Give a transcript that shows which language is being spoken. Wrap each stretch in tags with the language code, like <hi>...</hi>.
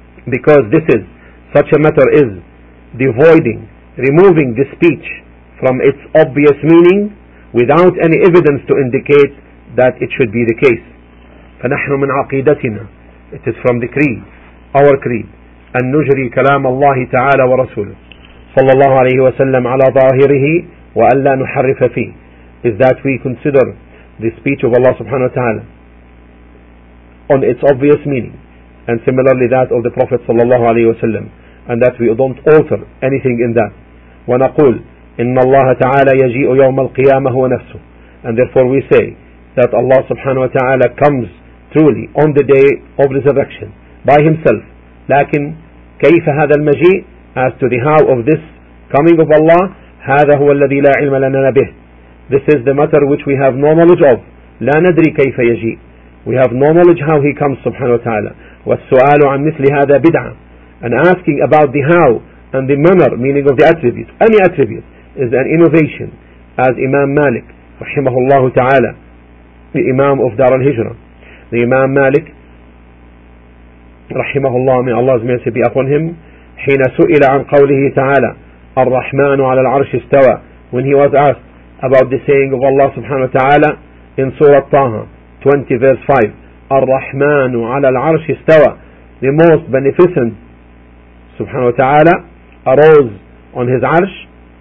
<en>Because this is, such a matter is, devoiding, removing the speech from its obvious meaning without any evidence to indicate that it should be the case.</en> <ar>فَنَحْنُ مِنْ عَقِيدَتِنَا,</ar> <en>it is from the creed, our creed,</en> <ar>أن نجري كلام الله تعالى ورسوله صلى الله عليه وسلم على ظاهره وأن لا نحرف فيه.</ar> <en>Is that we consider the speech of Allah subhanahu wa ta'ala on its obvious meaning, and similarly that of the Prophet</en> <ar>صلى الله عليه وسلم,</ar> <en>and that we don't alter anything in that.</en> <ar>ونقول إن الله تعالى يجيء يوم القيامة هو نفسه.</ar> <en>And therefore we say that Allah subhanahu wa ta'ala comes truly on the day of resurrection by himself.</en> <ar>لكن كيف هذا المجيء,</ar> <en>as to the how of this coming of Allah,</en> <ar>هذا هو الذي لا علم لنا به.</ar> <en>This is the matter which we have no knowledge of.</en> <ar>لا ندري كيف يجيء.</ar> <en>We have no knowledge how he comes subhanahu wa ta'ala.</en> <ar>والسؤال عن مثل هذا بدعة.</ar> <en>And asking about the how and the manner, meaning of the attributes, any attribute, is an innovation. As Imam Malik rahimahullah ta'ala, the Imam of Dar al-Hijrah, the Imam Malik rahimahullah, may Allah's mercy be upon him,</en> <ar>حين سئل عن قوله تعالى الرحمن على العرش استوى,</ar> <en>when he was asked about the saying of Allah subhanahu wa ta'ala in Surah Taha 20 verse 5,</en> <ar>الرحمن على العرش استوى,</ar> <en>the most beneficent subhanahu wa ta'ala arose on his arsh.</en>